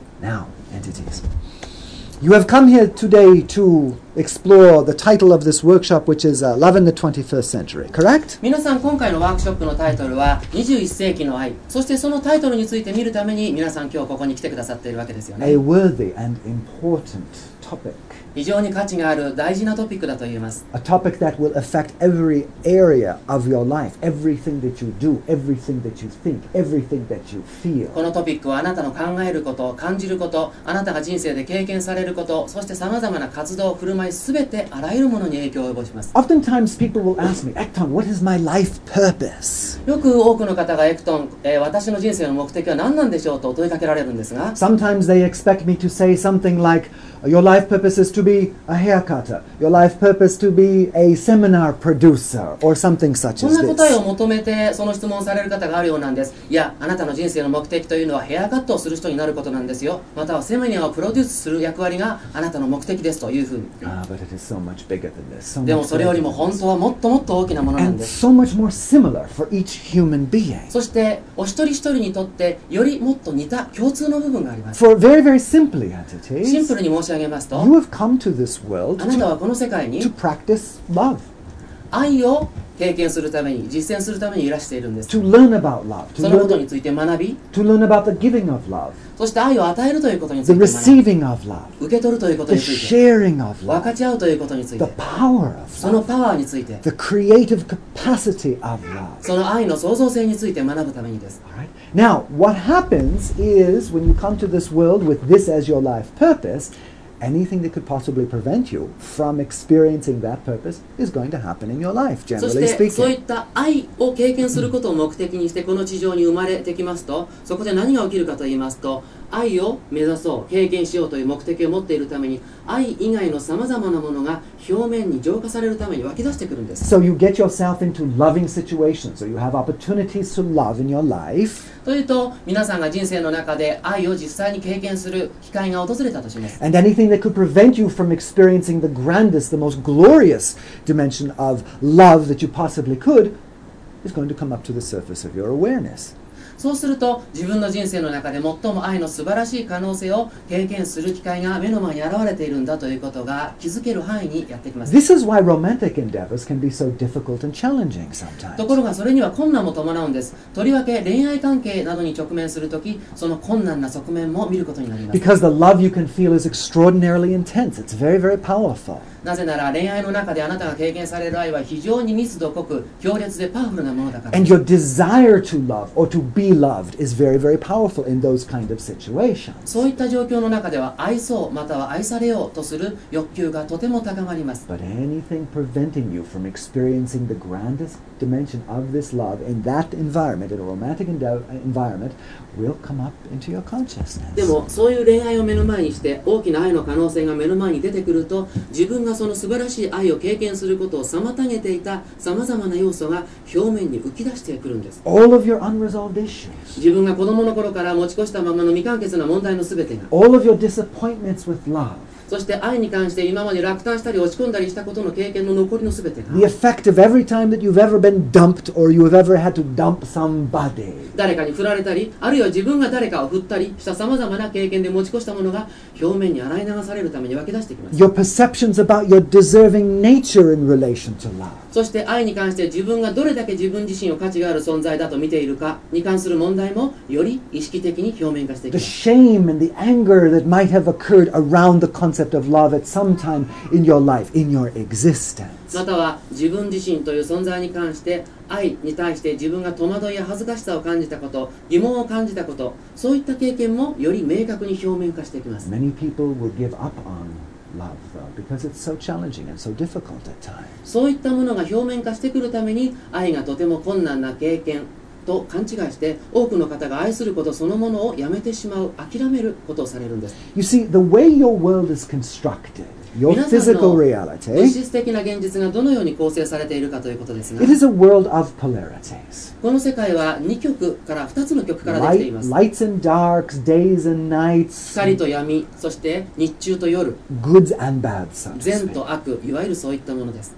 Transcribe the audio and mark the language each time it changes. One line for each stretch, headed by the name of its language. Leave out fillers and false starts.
English: Now, entities, you have come here today to explore the title of this workshop, which is Love in the 21st Century, correct?
Japanese: 皆さん、今回のワークショップのタイトルは21世紀の愛。そして、そのタイトルについて見るために皆さん今日ここに来てくださっているわけですよね。
English: A worthy and important topic.
Japanese: 非常に価値がある大事なトピックだと言います。
English: A topic that will affect every area of your life, everything that you do, everything that you think, everything that you feel.
Japanese: このトピックはあなたの考えること、感じること、あなたが人生で経験されること、そして様々な活動を振る舞う、全てあらゆるものに影響を及ぼします。
English: Oftentimes people will ask me, Acton, what is my life purpose?
Japanese: よく多くの方がエクトン、私の人生の目的は何なんでしょうと問いかけられるんですが、
English: Sometimes they expect me to say something like, Your life purpose is to be a hair cutter. Your life purpose to be a seminar producer or something such as this.
Japanese: こんな答えを求めてその質問される方があるようなんです。いや、あなたの人生の目的というのはヘアカットをする人になることなんですよ。またはセミナーをプロデュースする役割があなたの目的ですというふうに。
English: But it is so much bigger than this.
Japanese: でもそれよりも本当はもっともっと大きなものなんです。
English: And so much more similar for each human being.
Japanese: そしてお一人一人にとってよりもっと似た共通の部分があります。
English: For very, very simply, entities.
Japanese: シンプルに申し上げますと、
English: You have come to this world
Japanese: あなたはこの世界に
English: to practice love.
Japanese: 愛を経験するために、実践するためにいらしているんです。
English: To learn about love.
Japanese: そのことについて学び、
English: To learn about the giving of love.
Japanese: そして愛を与えるということについて学び、
English: The receiving of love.
Japanese: 受け取るということについて、
English: The sharing of love.
Japanese: 分かち合うということについて、
English: The power of love.
Japanese: そのパワーについて、
English: The creative capacity of love.
Japanese: その愛の創造性について学ぶためにです。
English: Now, what happens is when you come to this world with this as your life purpose, anything that could possibly prevent you from experiencing that purpose is going to happen in your life, generally speaking.
Japanese: そしてそういった愛を経験することを目的にしてこの地上に生まれてきますと、そこで何が起きるかと言いますと、愛を目指そう、経験しようという目的を持っているために、愛以外のさまざまなものが表面に浄化されるために湧き出してくるんです。
English: So you get yourself into loving situations, or you have opportunities to love in your life.
Japanese: というと、皆さんが人生の中で愛を実際に経験する機会が訪れたとします。
English: And anything that could prevent you from experiencing the grandest, the most glorious dimension of love that you possibly could is going to come up to the surface of your awareness.
Japanese: そうすると自分の人生の中で最も愛の素晴らしい可能性を経験する機会が目の前に現れているんだということが気づける範囲にやってきます。
English: This is why romantic endeavors can be so difficult and challenging sometimes.
Japanese: ところがそれには困難も伴うんです。とりわけ恋愛関係などに直面するとき、その困難な側面も見ることになります。
English: Because the love you can feel is extraordinarily intense. It's very, very powerful.
Japanese: なぜなら恋愛の中であなたが経験される愛は非常に密度濃く強烈でパワフルなものだから。
English: And your desire to love or to beloved is very, very powerful in those kind of situations.
Japanese: そういった状況の中では愛そうまたは愛されようとする欲求がとても高まります。
English: But anything preventing you from experiencing the grandest dimension of this love in that environment, in a romantic environment, will come up into your consciousness.
Japanese: でもそういう恋愛を目の前にして大きな愛の可能性が目の前に出てくると、自分がその素晴らしい愛を経験することを妨げていたさまざまな要素が表面に浮き出してくるんです。
English: All of your unresolved
Japanese: 自分が子供の頃から持ち越したままの未完結な問題のすべてが、
English: All of your disappointments with love.
Japanese: そして愛に関して今まで落胆したり落ち込んだりしたことの経験の残りのすべてが、
English: The effect of every time that you've ever been dumped or you've ever had to dump somebody.
Japanese: 誰かに振られたり、あるいは自分が誰かを振ったりしたさまざまな経験で持ち越したものが表面に洗い流されるために湧き出してきます。
English: Your perceptions about your deserving nature in relation to love.
Japanese: そして愛に関して自分がどれだけ自分自身を価値がある存在だと見ているかに関する問題もより意識的に表面化していきます。
English: The shame and the anger that might have occurred around the concept of love at some time in your life, in your existence.
Japanese: または自分自身という存在に関して愛に対して自分が戸惑いや恥ずかしさを感じたこと、疑問を感じたこと、そういった経験もより明確に表面化していきます。
English: Many people will give up on love. Because it's so challenging and so difficult at times.
Japanese: そういったものが表面化してくるために愛がとても困難な経験と勘違いして多くの方が愛することそのものをやめてしまう諦めることをされるんです
English: You see, the way your world is constructed, your physical reality
Japanese: 皆さんの物質的な現実がどのように構成されているかということですが
English: It is a world of polarities
Japanese: この世界は2極から2つの極からできています
English: Lights and darks, days and nights
Japanese: 光と闇、そして日中と夜
English: Good and bad, so to speak
Japanese: 善と悪、いわゆるそういったものです